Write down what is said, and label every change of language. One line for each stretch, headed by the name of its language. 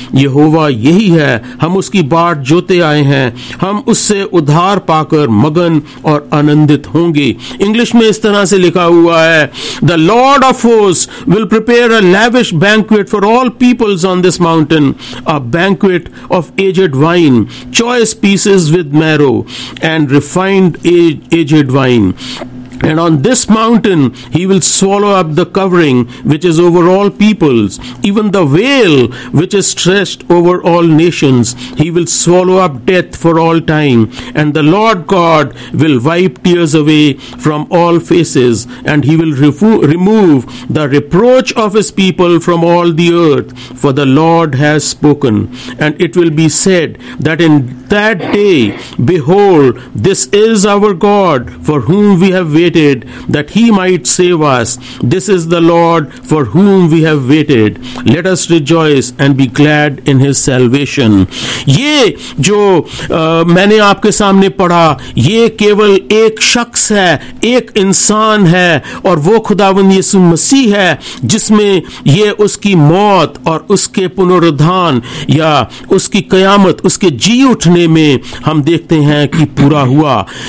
Urdu: یہوہ یہی ہے, ہم اس کی باٹ جوتے آئے ہیں, ہم اس سے ادھار پا کر مگن اور آنندت ہوں گے. انگلش میں اس طرح سے لکھا ہوا ہے,
English: The Lord of hosts will prepare a lavish banquet for all peoples on this mountain, a banquet of aged wine, choice pieces with marrow and refined aged wine. And on this mountain he will swallow up the covering which is over all peoples, even the veil which is stretched over all nations. He will swallow up death for all time, and the Lord God will wipe tears away from all faces, and he will remove the reproach of his people from all the earth, for the Lord has spoken. And it will be said that in that day, behold, this is our God for whom we have waited, that he might save us. This is the Lord for whom we have waited. Let us rejoice and be glad in his salvation.
Urdu: یہ جو میں نے آپ کے سامنے پڑھا, یہ کیول ایک شخص ہے, ایک انسان ہے, اور وہ خداوند یسوع مسیح ہے, جس میں یہ اس کی موت اور اس کے پنرودھان یا اس کی قیامت, اس کے جی اٹھنے میں ہم دیکھتے ہیں کہ پورا ہوا.